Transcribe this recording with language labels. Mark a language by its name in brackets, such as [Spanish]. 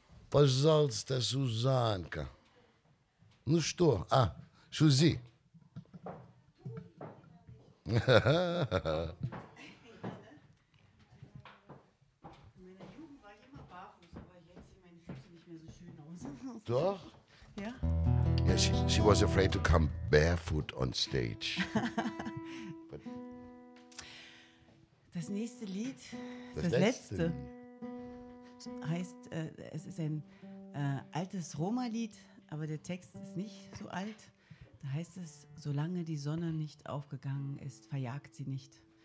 [German] Was soll's da, Susanka? [Russian] Ну что? [German] Ah, Susi. In meiner Jugend war ich immer barfuß, aber jetzt sehen meine Füße nicht mehr so schön aus. Doch. Ja. [English] Yeah, she was afraid to come barefoot on stage. But [German] das nächste Lied, das letzte, heißt, es ist ein altes Roma-Lied, aber der Text ist nicht so alt. Da heißt es, solange die Sonne nicht aufgegangen ist, verjagt sie nicht.